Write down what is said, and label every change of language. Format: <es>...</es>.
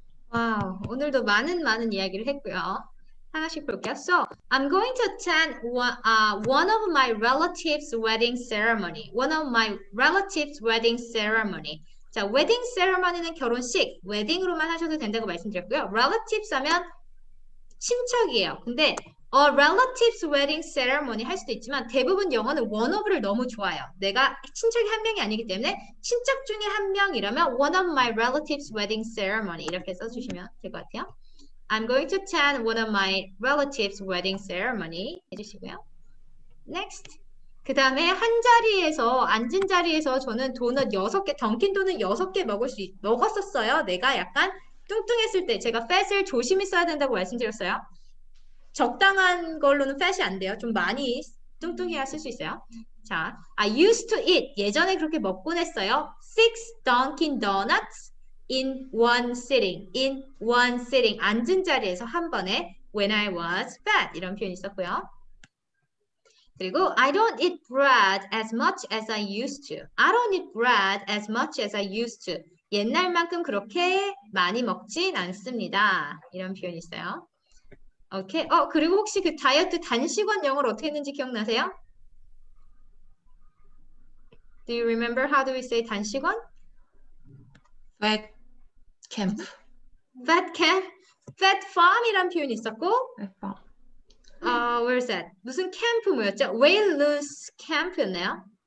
<ko>와우, 오늘도 많은 많은 이야기를 했고요. 하나씩 볼게요.</ko> <en>So, I'm going to attend one of my relatives' wedding ceremony. One of my relatives' wedding ceremony.</en> <ko>자,</ko> <en>wedding ceremony</en> <ko>는 결혼식, wedding으로만 하셔도 된다고 말씀드렸고요. Relatives 하면 친척이에요. 근데</ko> <en>a relative's wedding ceremony</en> <ko>할 수도 있지만 대부분 영어는</ko> <en>one of</en> <ko>를 너무 좋아요. 내가 친척이 한 명이 아니기 때문에 친척 중에 한 명이라면</ko> <en>one of my relative's wedding ceremony</en> <ko>이렇게 써주시면 될것 같아요.</ko> <en>I'm going to attend one of my relative's wedding ceremony</en> <ko>해주시고요.</ko> <en>Next.</en> <ko>그 다음에 한 자리에서 앉은 자리에서 저는 도넛 6개, 던킨 도넛 6개 먹었었어요. 내가 약간 뚱뚱했을 때 제가 fat을 조심히 써야 된다고 말씀드렸어요. 적당한 걸로는 fat이 안 돼요. 좀 많이 뚱뚱해야 쓸수 있어요.</ko> <en>자, I used to eat.</en> <ko>예전에 그렇게 먹곤 했어요.</ko> <en>Six Dunkin' Donuts in one sitting. In one sitting.</en> <ko>앉은 자리에서 한 번에</ko> <en>when I was fat.</en> <ko>이런 표현이 있었고요.</ko> <en>그리고 I don't eat bread as much as I used to. I don't eat bread as much as I used to.</en> <ko>옛날만큼 그렇게 많이 먹진 않습니다. 이런 표현이 있어요. 오케이. 그리고 혹시 그 다이어트 단식원 영어를 어떻게 했는지 기억나세요?</ko> <en>Do you remember how do we say</en> <ko>단식원?</ko> <en>Fat camp. Fat camp, fat farm</en> <ko>이란 표현이 있었고,</ko> <en>Fat farm.</en> <ko>where is that? 무슨 캠프 뭐였죠? Weight loss 캠프였나요?</ko>